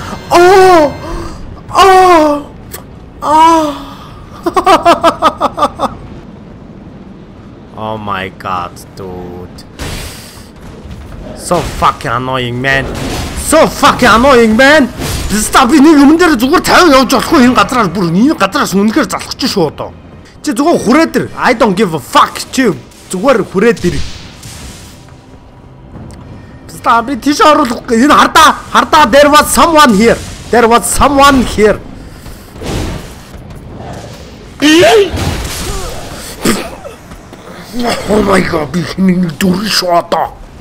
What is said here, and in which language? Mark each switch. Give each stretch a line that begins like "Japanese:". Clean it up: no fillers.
English: Oh my god, dude. So fucking annoying, man. So fucking annoying, man.
Mongolian: Тэс тав би нэг юм дээр зүгээр 50 явж болохгүй энэ гадраар бүр энэ гадраас үнэхээр залхаж шүү одоо. Чи зүгээр хүрээд ир.
English: I don't give a fuck
Mongolian: чи зүгээр хүрээд ир. Тэс тав би тийш оруулахгүй энэ хардаа хардаа
English: there was someone here. There was someone here. Oh my god,
Mongolian: би хэнийг дүрэн шүү одоо.